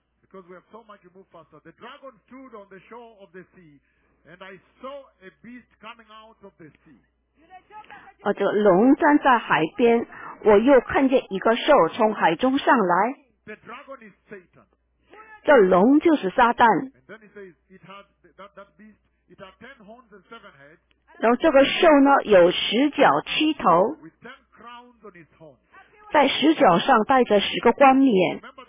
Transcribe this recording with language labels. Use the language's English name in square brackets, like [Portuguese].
[English] because we have so much to move faster. The dragon stood on the shore of the sea, and I saw a beast coming out of the sea. [Chinese] 这龙站在海边，我又看见一个兽从海中上来。 [English] The dragon is Satan. [Chinese] 这龙就是撒旦。 [English] And then he says, it has that beast, it has 10 horns and 7 heads. [Chinese] 然后这个兽呢，有十角七头。 [English] With 10 crowns on its horns. [Chinese] 在十角上戴着十个冠冕。